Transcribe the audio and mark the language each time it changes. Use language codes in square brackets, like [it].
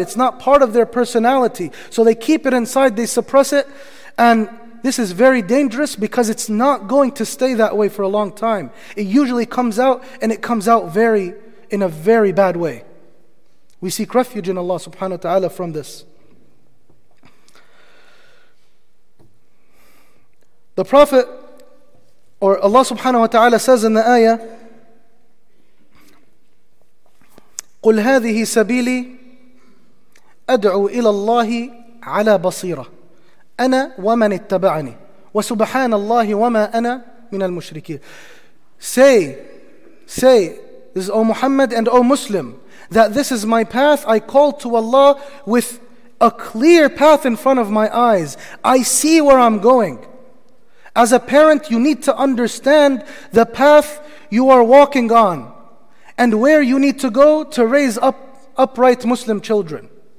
[en] It's not part of their personality. So they keep it inside, they suppress it. And this is very dangerous because it's not going to stay that way for a long time. It usually comes out, and it comes out in a very bad way. We seek refuge in Allah subhanahu wa ta'ala from this. The Prophet, or Allah subhanahu wa ta'ala, says in the ayah, [ar] قُلْ هَذِهِ سَبِيلِي أَدْعُو إِلَى اللَّهِ عَلَى بَصِيرَةٍ أَنَا وَمَنِ اتَّبَعَنِي وَسُبْحَانَ اللَّهِ وَمَا أَنَا مِنَ الْمُشْرِكِينَ. [en] Say, this is O Muhammad and O Muslim, that this is my path. I call to Allah with a clear path in front of my eyes. I see where I'm going. As a parent, you need to understand the path you are walking on and where you need to go to raise up upright Muslim children.